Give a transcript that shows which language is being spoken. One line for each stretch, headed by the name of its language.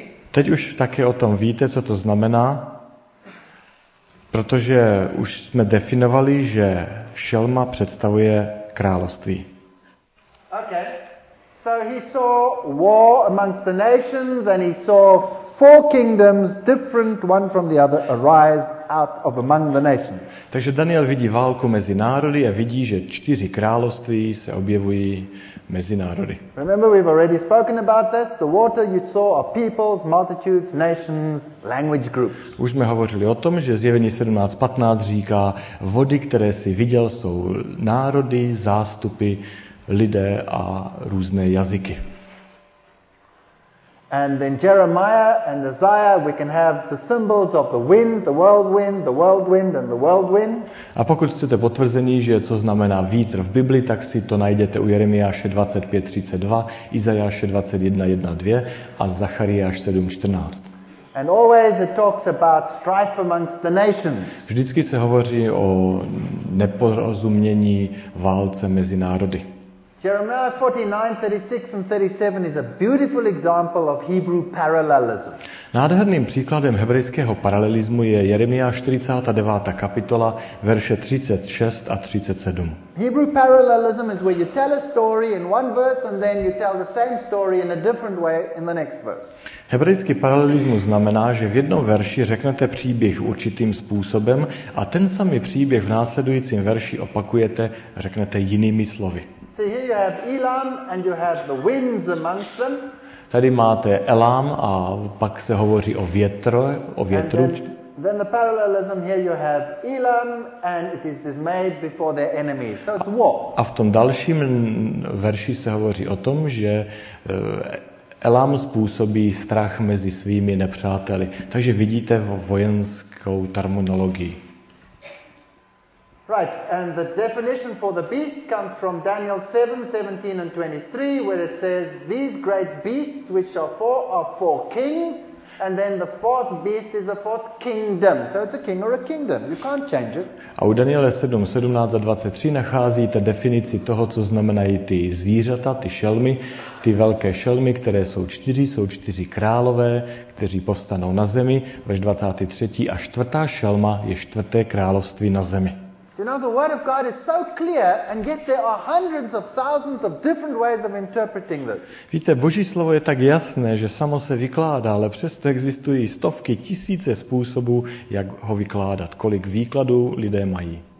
Czech: Teď už také o tom víte, co to znamená, protože už jsme definovali, že šelma představuje království.
English: Okay. So he saw war amongst the nations and he saw 4 kingdoms different one from the other arise out of among the nations.
Czech: Takže Daniel vidí válku mezi národy a vidí, že 4 království se objevují mezi národy.
English: Remember we've already spoken about this. The water you saw are peoples, multitudes, nations, language groups.
Czech: Už jsme hovořili o tom, že Zjevení 17:15 říká, vody, které si viděl, jsou národy, zástupy, lidé a různé jazyky.
English: And then Jeremiah and Isaiah, we can have the symbols of the wind, the whirlwind, the whirlwind and the whirlwind.
Czech: A pokud chcete potvrzení, že co znamená vítr v Biblii, tak si to najdete u Jeremiáše 25:32, Izajáše 21:1-2 a Zachariáš 7:14.
English: And always it talks about strife amongst the nations.
Czech: Vždycky se hovoří o neporozumění, válce mezi národy.
English: Jeremiah 49:36 and 37 is a beautiful example of Hebrew parallelism.
Czech: Nádherným příkladem hebrejského paralelismu je Jeremiáš 49. kapitola, verše 36 a 37.
English: Hebrew parallelism is where you tell a story in one verse and then you tell the same story in a different way in the next verse.
Czech: Hebrejský paralelismus znamená, že v jednom verši řeknete příběh určitým způsobem a ten samý příběh v následujícím verši opakujete, řeknete jinými slovy.
English: So here you have Elam and you have the winds amongst them.
Czech: Tady máte Elam a pak se hovoří o větru.
English: And then the parallelism here you have Elam and it is dismayed before their enemies. So it's war.
Czech: A v tom dalším verši se hovoří o tom, že Elam způsobí strach mezi svými nepřáteli. Takže vidíte vojenskou terminologii.
English: Right, and the definition for the beast comes from Daniel 7:17-23, where it says, these great beasts which are four kings, and then the fourth beast is a fourth kingdom. So it's a king or a kingdom, you can't change it.
Czech: A u Daniele 7:17-23 nacházíte definici toho, co znamenají ty zvířata, ty šelmy, ty velké šelmy, které jsou čtyři králové, kteří povstanou na zemi, verš 23. A čtvrtá šelma je čtvrté království na zemi.
English: You know, the word of God is so clear, and yet there are hundreds of thousands of different ways of interpreting this.
Czech: Víte, Boží slovo je tak jasné, že samo se vykládá, ale přesto existují stovky, tisíce způsobů, jak ho vykládat, kolik výkladů lidé mají.